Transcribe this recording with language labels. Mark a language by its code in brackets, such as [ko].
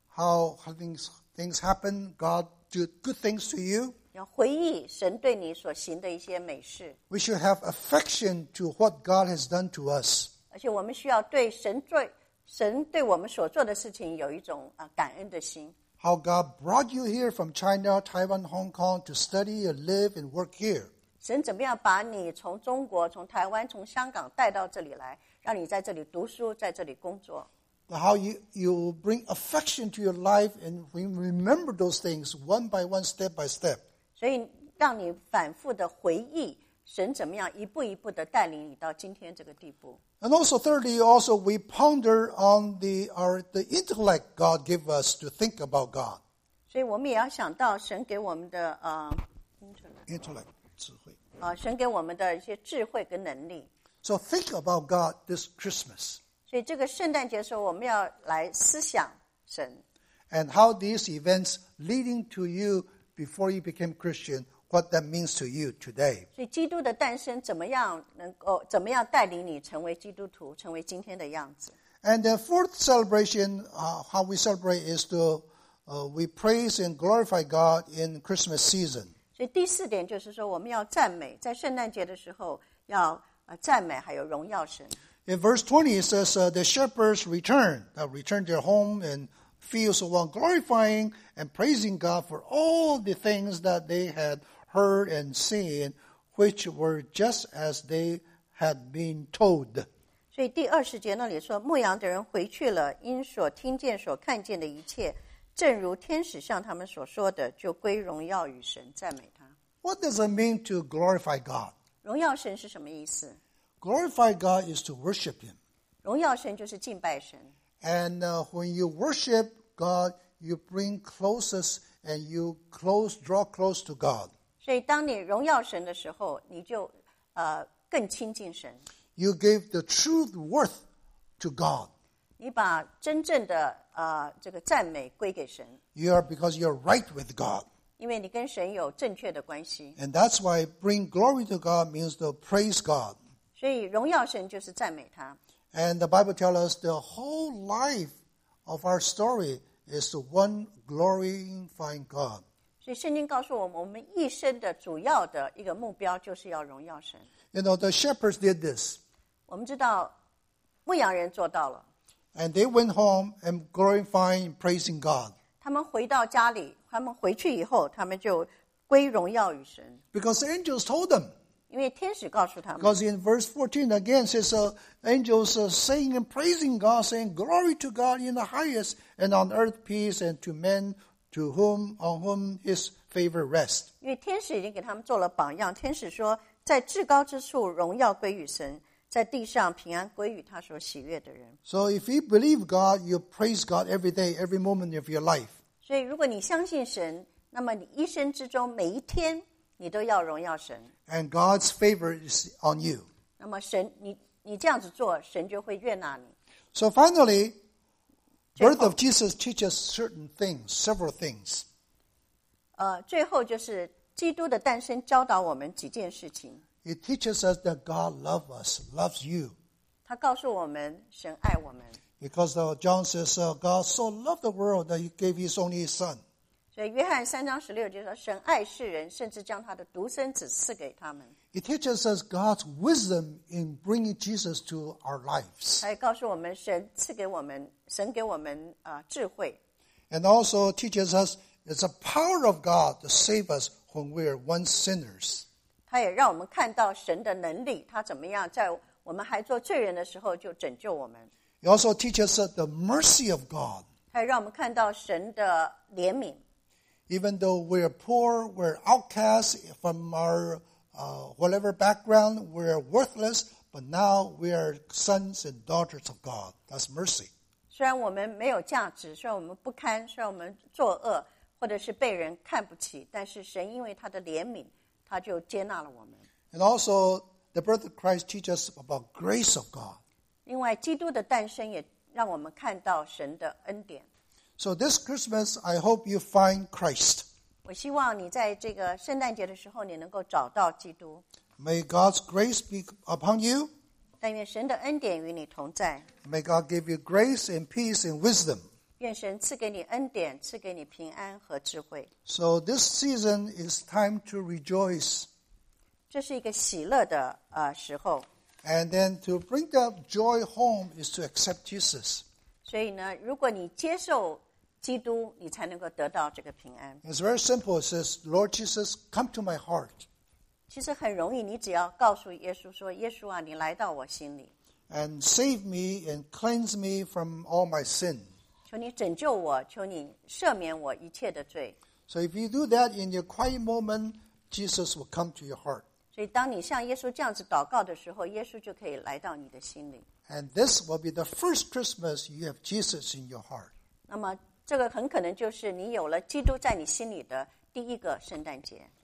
[en] How things happen, God do good things to you. [zh] 要回忆神对你所行的一些美事。 [en] We should have affection to what God has done to us. [zh] 而且我们需要对神对我们所做的事情有一种感恩的心。 [en] How God brought you here from China, Taiwan, Hong Kong to study and live and work here. [zh] 神怎么样把你从中国、从台湾、从香港带到这里来，让你在这里读书，在这里工作 [en] ？But how you bring affection to your life and remember those things one by one, step by step. [zh] 所以让你反复的回忆神怎么样一步一步的带领你到今天这个地步。 [en] And also thirdly, also we ponder on the intellect God give us to think about God. [zh] 所以我们也要想到神给我们的 [en] intellect. [zh] 神给我们的一些智慧跟能力。 [en] So think about God this Christmas. [zh] 所以这个圣诞节的时候，我们要来思想神。 [en] And how these events leading to you before you became Christian, what that means to you today. [zh] 所以基督的诞生怎么样带领你成为基督徒，成为今天的样子。 [en] And the fourth celebration, how we celebrate is to, we praise and glorify God in Christmas season. [zh] 所以第四点就是说我们要赞美在圣诞节的时候要赞美还有荣耀神。 [en] In verse 20 it says the shepherds returned their home and fields of one glorifying and praising God for all the things that they had heard and seen which were just as they had been told. [zh] 所以第二十节那里说牧羊的人回去了因所听见所看见的一切正如天使向他们所说的，就归荣耀与神，赞美他。 [en] What does it mean to glorify God? [zh] 荣耀神是什么意思？ [en] Glorify God is to worship Him. [zh] 荣耀神就是敬拜神。 [en] And when you worship God, you bring closest and you draw close to God. [zh] 所以当你荣耀神的时候，你就更亲近神。 [en] You give the truth worth to God. [zh] 你把真正的这个赞美归给神。 [en] You are because you're right with God. [zh] 因为你跟神有正确的关系。 [en] And that's why bring glory to God means to praise God. [zh] 所以荣耀神就是赞美他。 [en] And the Bible tells us the whole life of our story is to one glorifying God. [zh] 所以圣经告诉我们，我们一生的主要的一个目标就是要荣耀神。 [en] You know, the shepherds did this. [zh] 我们知道牧羊人做到了。 [en] And they went home and glorifying and praising God. [zh] 他们回到家里，他们回去以后，他们就归荣耀与神。 [en] Because the angels told them. [zh] 因为天使告诉他们。 [en] Because in verse 14 again says, angels saying and praising God, saying glory to God in the highest, and on earth peace, and to men to whom on whom His favor rests. [zh] 因为天使已经给他们做了榜样，天使说，在至高之处荣耀归于神。在地上平安归于他所喜悦的人。 [en] So if you believe God, you praise God every day, every moment of your life. [zh] 所以如果你相信神，那么你一生之中每一天，你都要荣耀神。 [en] And God's favor is on you. [zh] 那么神，你这样子做，神就会悦纳你。 [en] So finally, birth of Jesus teaches certain things, several things. [zh] 最后就是基督的诞生教导我们几件事情。 [en] It teaches us that God loves us, loves you. [zh] 他告诉我们神爱我们。 [en] Because John says, God so loved the world that he gave his only son. [zh] 所以约翰三章十六就说神爱世人甚至将他的独生子赐给他们。 [en] It teaches us God's wisdom in bringing Jesus to our lives. [zh] 他也告诉我们神赐给我们神给我们智慧。 [en] And also teaches us it's a power of God to save us when we are once sinners. [zh] 他也让我们看到神的能力他怎么样在我们还做罪人的时候就拯救我们。 [en] It also teaches us the mercy of God. [zh] 他也让我们看到神的怜悯。 [en] Even though we are poor, we are outcasts from our whatever background, we are worthless, but now we are sons and daughters of God. That's mercy. [zh] 虽然我们没有价值，虽然我们不堪，虽然我们作恶，或者是被人看不起，但是神因为他的怜悯，他就接纳了我们。 [en] And also, the birth of Christ teaches about grace of God. [zh] 另外，基督的诞生也让我们看到神的恩典。 [en] So this Christmas, I hope you find Christ. [zh] 我希望你在这个圣诞节的时候，你能够找到基督。 [en] May God's grace be upon you. [zh] 但愿神的恩典与你同在。 [en] May God give you grace and peace and wisdom. [zh] 愿神赐给你恩典，赐给你平安和智慧。 [en] So this season is time to rejoice. [zh] 这是一个喜乐的时候。 [en] And then to bring that joy home is to accept Jesus. [zh] 所以呢，如果你接受基督，你才能够得到这个平安。 [en] It's very simple. It says, "Lord Jesus, come to my heart." [zh] 其实很容易，你只要告诉耶稣说：“耶稣啊，你来到我心里。” [en] And save me and cleanse me from all my sin. [zh] 求你拯救我，求你赦免我一切的罪。 [en] So if you do that in your quiet moment, Jesus will come to your heart. [zh] 所以当你像耶稣这样子祷告的时候，耶稣就可以来到你的心里。 [en] And this will be the first Christmas you have Jesus in your heart. [zh] 那么这个很可能就是你有了基督在你心里的第一个圣诞节。